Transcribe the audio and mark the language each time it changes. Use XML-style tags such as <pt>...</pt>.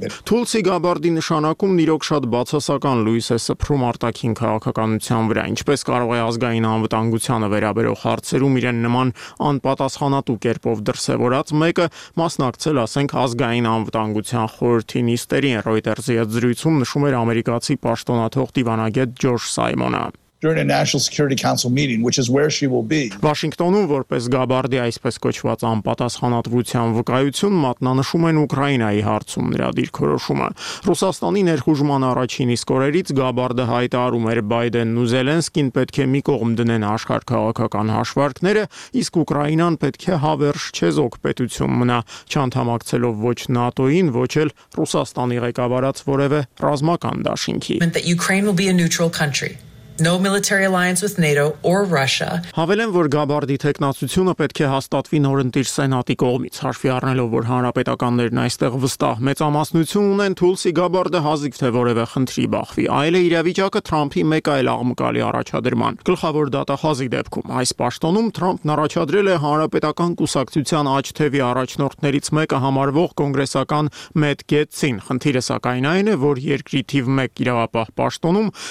<hy>Թուլսի Գաբարդի նշանակումն իրոք շատ բացասական լույս է սփռում արտաքին քաղաքականության վրա, ինչպես կարող է ազգային վտանգությանը վերաբերող հարցերում իրեն նման անպատասխանատու կերպով դրսևորած մեկը մասնակցել, ասենք, ազգային անվտանգության խորհրդի նիստերին, Reuters-ի հետ զրույցում նշում էր ամերիկացի պաշտոնաթող դիվանագետ Ջորջ Սայմոնը։</hy> <en>During a National Security Council meeting, which is where she will be.</en> <hy>Վաշինգտոնում որպես Գաբարդի այսպես կոչված անպատասխանատվության վկայություն մատնանշում են Ուկրաինայի հարցում նրա դիրքորոշումը։ Ռուսաստանի ներխուժման առաջին իսկ օրերից Գաբարդը հայտարարում էր, Բայդենն ու Զելենսկին պետք է մի կողմ դնեն աշխարհ քաղաքական հաշվարկները, իսկ Ուկրաինան պետք է հավերժ չեզոք պետություն մնա, չանդամակցելով ոչ ՆԱՏՕ-ին, ոչ էլ Ռուսաստանի ղեկավարած որևէ ռազմական դաշինքի։</hy> <en>No military alliance with NATO or Russia.</en> <hy>Հավելեմ, որ Գաբարդի տեխնացությունը պետք է հաստատվի նորընտիր սենատի կողմից, հաշվի առնելով, որ հանրապետականներն այստեղ վստահ մեծամասնություն ունեն, Թուլսի Գաբարդը հազիվ թե որևէ խնդրի բախվի, այլ է իրավիճակը Թրամփի մեկ այլ աղմկալի առաջադրման։ Գլխավոր դատախազի դեպքում այս պաշտոնում Թրամփն առաջադրել է հանրապետական կուսակցության աջթևի առաջնորդներից մեկը համարվող կոնգրեսական Մեթ Գեթսին։ Խնդիրը սակայն այն է, որ երկրի թիվ 1 իրավապահ պաշտոնում</hy>